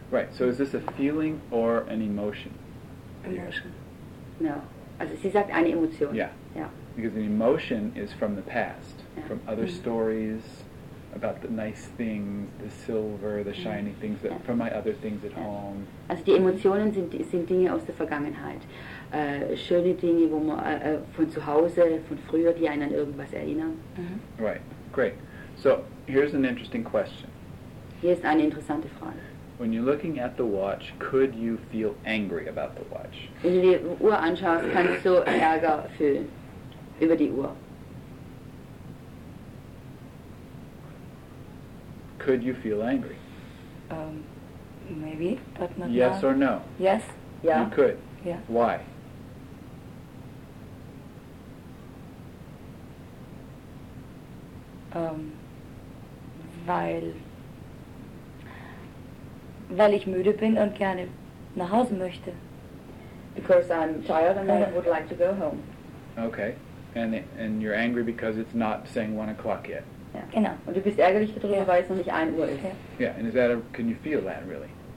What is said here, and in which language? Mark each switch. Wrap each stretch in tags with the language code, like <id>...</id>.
<en>Right, so is this a feeling or an emotion? Emotion.</en> <de>No. Also sie sagt eine Emotion.</de> <en>Yeah. Yeah. Because an emotion is from the past, from other stories, about the nice things, the silver, the shiny things, that from my other things at home.</en> <de>Also die Emotionen sind Dinge aus der Vergangenheit. Schöne Dinge, wo man von zu Hause, von früher, die einen an irgendwas erinnern.</de> <en>Mm-hmm. Right, great. So, here's an interesting question.</en> <de>Hier ist eine interessante Frage.</de> <en>When you're looking at the watch, could you feel angry about the watch?</en> <de>Wenn du die Uhr anschaust, kannst du Ärger fühlen über die Uhr.</de> <en>Could you feel angry? Maybe, but not. Yes now. Or no? Yes. Yeah. You could. Yeah. Why?</en> <de>Weil ich müde bin und gerne nach Hause möchte.</de> <en>Because I'm tired and I would like to go home. Okay, and you're angry because it's not saying 1 o'clock yet.</en> <de>Ja, genau. Und du bist ärgerlich darüber, weil es noch nicht 1 Uhr ist.</de> <en>Ja, yeah, and is that a, can you feel that really?</en>